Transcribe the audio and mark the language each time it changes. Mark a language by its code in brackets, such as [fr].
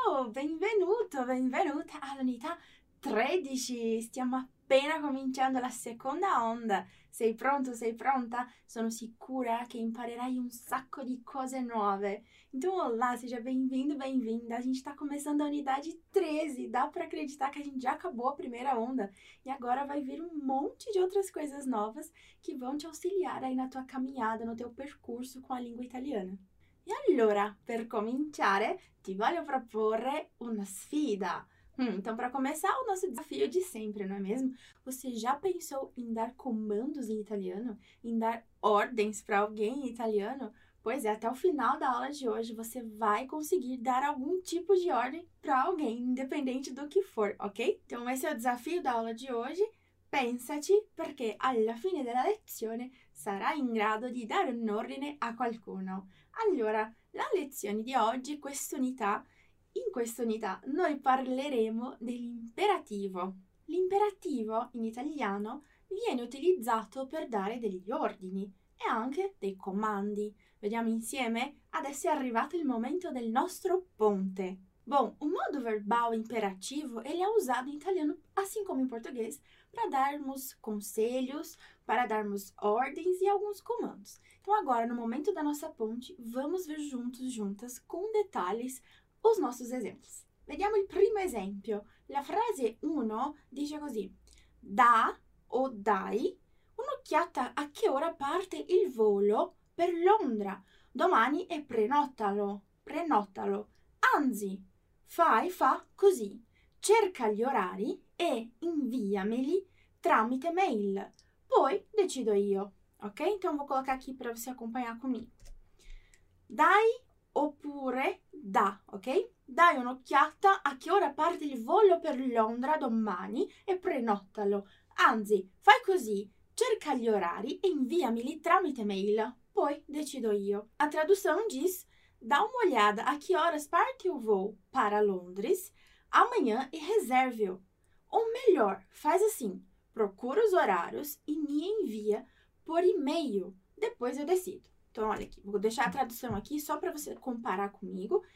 [it] Benvenuto, benvenuta all'unità 13. Stiamo appena cominciando la seconda onda. Sei pronto? Sei pronta? Sono sicura che imparerai un sacco di cose nuove. [pt] Então, olá, seja bem-vindo, bem-vinda. A gente está começando a unidade 13. Dá para acreditar que a gente já acabou a primeira onda e agora vai vir um monte de outras coisas novas que vão te auxiliar aí na tua caminhada, no teu percurso com a língua italiana. [it] E allora, per cominciare, ti voglio proporre una sfida. [pt] Então, para começar, o nosso desafio de sempre, não é mesmo? Você já pensou em dar comandos em italiano? Em dar ordens para alguém em italiano? Pois é, até o final da aula de hoje você vai conseguir dar algum tipo de ordem para alguém, independente do que for, ok? Então, esse é o desafio da aula de hoje. [it] Pensaci, perché alla fine della lezione sarai in grado di dare un ordine a qualcuno. Allora, la lezione di oggi, quest'unità, in quest'unità noi parleremo dell'imperativo. L'imperativo in italiano viene utilizzato per dare degli ordini e anche dei comandi. Vediamo insieme? Adesso è arrivato il momento del nostro ponte. [pt] Bom, o modo verbale imperativo ele [it] è usato in italiano, [pt] assim come in portoghese, para darmos conselhos, para darmos ordens e alguns comandos. Então, agora, no momento da nossa ponte, vamos ver juntos, juntas, com detalhes, os nossos exemplos. [it] Vediamo il primo esempio. La frase 1 dice così: da o dai un'occhiata a che ora parte il volo per Londra. Domani è prenotalo, prenotalo. Anzi, fa così: cerca gli orari e inviameli tramite mail. Poi decido io, ok? [pt] Então vou colocar aqui para você acompanhar comigo. [it] Dai oppure da, ok? Dai un'occhiata a che ora parte il volo per Londra domani e prenotalo. Anzi, fai così, cerca gli orari e inviameli tramite mail. Poi decido io. [pt] A tradução diz: dá uma olhada a que horas parte o voo para Londres amanhã e reserve-o. Ou melhor, faz assim: procura os horários e me envia por e-mail. Depois eu decido. Então, olha aqui, vou deixar a tradução aqui só para você comparar comigo.